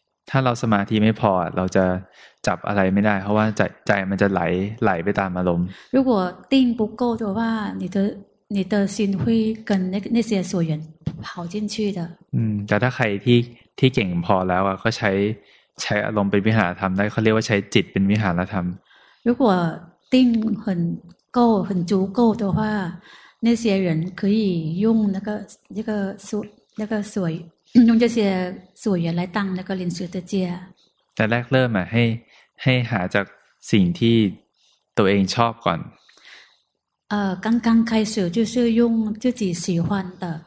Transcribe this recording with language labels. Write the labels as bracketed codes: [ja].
[th] ถ้าเราสมาธิไม่พอเราจะจับอะไรไม่ได้เพราะว่าใจมันจะไหลไปตามอารมณ์ [zh] 如果定不够的话你的心会跟那些所缘跑进去的 [th] แต่ถ้าใครที่เก่งพอแล้วอ่ะก็ใช้อารมณ์เป็นวิหารธรรมได้เขาเรียกว่าใช้จิตเป็นวิหารธรรม [zh] 如果定很够很足够的话那些人可以用那个所用这些所缘来当那个临时的家 [th] แต่แรกเริ่มอ่ะให้หาจากสิ่งที่ตัวเองชอบก่อน [zh] 刚刚开始就是用自己喜欢的